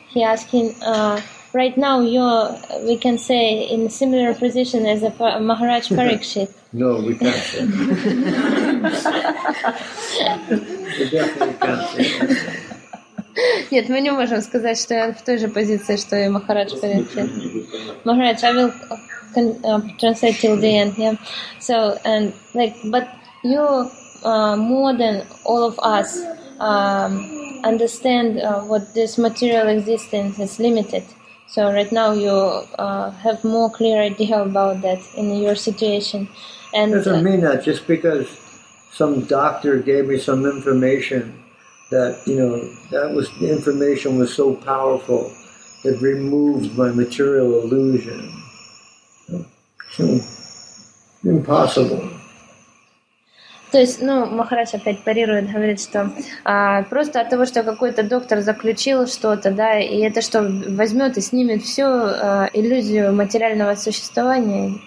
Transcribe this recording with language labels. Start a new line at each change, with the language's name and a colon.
English: He asking right now we can say in similar position as a Maharaj Parikshit. No, we can't say. We definitely can't say.
Russian: Нет, мы не можем сказать, что я в той же позиции, что и Махарадж Парикшит.
English: Махарадж, I will translate till the end. Yeah. So and like, but you more than all of us. Understand what this material existence is limited. So right now you have more clear idea about that in your situation. And it doesn't mean that just because some doctor gave me some information that, you know, that was the information was so powerful that removed my material illusion. Impossible.
Russian: То есть, ну, Махарадж опять парирует, говорит, что просто от того, что какой-то доктор заключил что-то, да, и это что, возьмет и снимет всю иллюзию материального существования?